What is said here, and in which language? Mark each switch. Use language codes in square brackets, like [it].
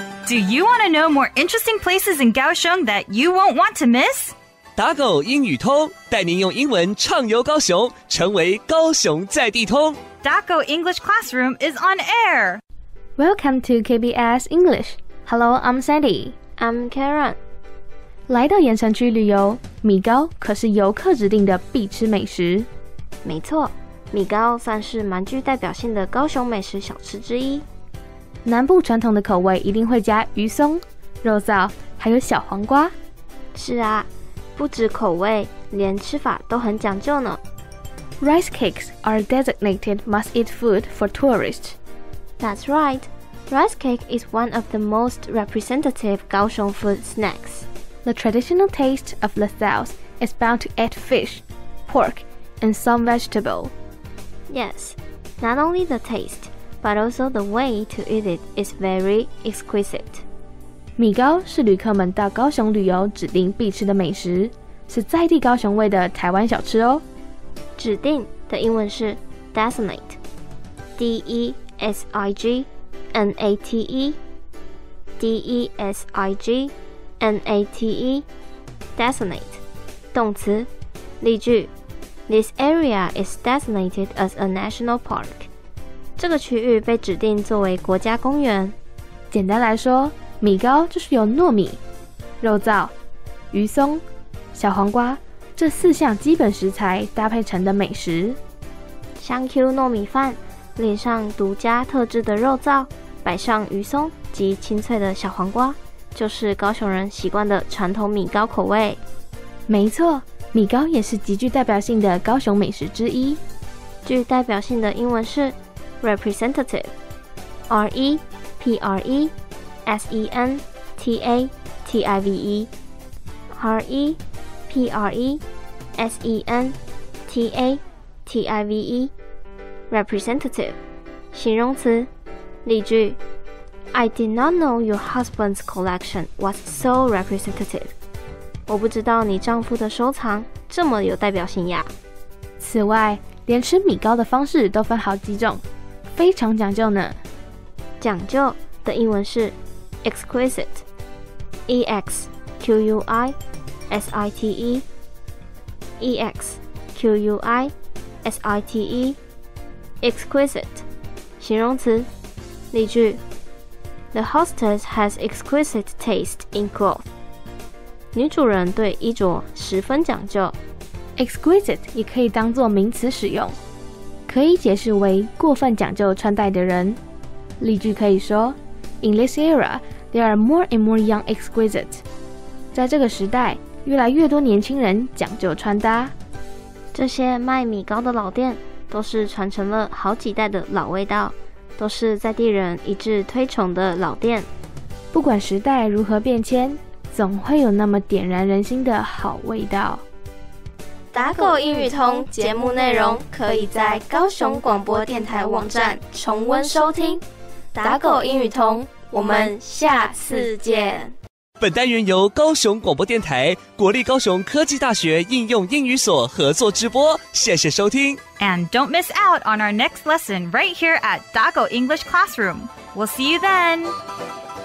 [en] Do you want to know more interesting places in Kaohsiung that you won't want to miss? [zh] 打狗英语通，带您用英文畅游高雄，成为高雄在地通。 [en] Daco English Classroom is on air. Welcome to KBS English. Hello, I'm Sandy. I'm Karen. [zh] 来到岩城区旅游，米糕可是游客指定的必吃美食。没错，米糕算是蛮具代表性的高雄美食小吃之一。南部传统的口味一定会加鱼松、肉燥，还有小黄瓜。是啊，不止口味，连吃法都很讲究呢。 [en] Rice cakes are designated must-eat food for tourists. That's right. Rice cake is one of the most representative Kaohsiung food snacks. The traditional taste of the South is bound to add fish, pork, and some vegetable. Yes, not only the taste, but also the way to eat it is very exquisite. [zh] 米糕是旅客们到高雄旅游指定必吃的美食，是在地高雄味的台湾小吃哦。指定的英文是 designate, D-E-S-I-G-N-A-T-E, D-E-S-I-G-N-A-T-E, designate, 动词。例句 [en] ,This area is designated as a national park. [zh] 这个区域被指定作为国家公园。简单来说，米糕就是由糯米、肉燥、鱼松、小黄瓜这四项基本食材搭配成的美食，香 Q 糯米饭，淋上独家特制的肉燥，摆上鱼松及清脆的小黄瓜，就是高雄人习惯的传统米糕口味。没错，米糕也是极具代表性的高雄美食之一。具代表性的英文是 representative，R-E-P-R-E-S-E-N-T-A-T-I-V-E，R-E-P-R-E-S-E-N-T-A-T-I-V-E Representative 形容词。例句 [en] I did not know your husband's collection was so representative. [zh] 我不知道你丈夫的收藏这么有代表性呀。此外，连吃米糕的方式都分好几种，非常讲究呢。讲究的英文是 Exquisite E-X-Q-U-I-S-I-T-EEXQUISITE Exquisite 形容词。例句 [en] The hostess has exquisite taste in cloth. [zh] 女主人对衣着十分讲究。 Exquisite 也可以当作名词使用，可以解释为过分讲究穿戴的人。例句可以说 [en] In this era, there are more and more young exquisite. [zh] 在这个时代，越来越多年轻人讲究穿搭。这些卖米糕的老店都是传承了好几代的老味道，都是在地人一致推崇的老店。不管时代如何变迁，总会有那么点燃人心的好味道。打狗英语通节目内容可以在高雄广播电台网站重温收听。打狗英语通，我们下次见。本单元由高雄广播电台、国立高雄科技大学应用英语所合作直播，谢谢收听。 [en] And don't miss out on our next lesson right here at Dago English Classroom. We'll see you then.